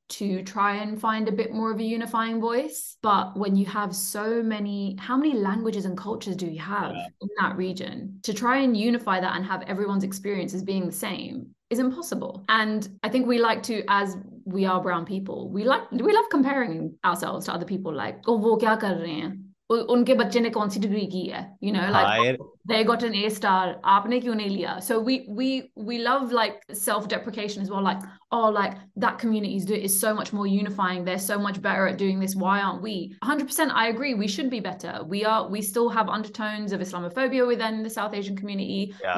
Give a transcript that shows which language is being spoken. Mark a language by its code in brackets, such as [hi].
[en] to try and find a bit more of a unifying voice. But when you have so many, how many languages and cultures do you have in that region? To try and unify that and have everyone's experiences being the same is impossible. And I think we like to, as we are brown people, we love comparing ourselves to other people, like, oh, [hi] वो क्या कर रहे हैं? उनके बच्चे ने कौन सी degree की है? [en] You know, like, they got an A star, [hi] आपने क्यों नहीं लिया? [en] So we love, like, self-deprecation as well, like, oh, like, that community is so much more unifying, they're so much better at doing this, why aren't we? 100% I agree, we should be better. We still have undertones of Islamophobia within the South Asian community. Yeah.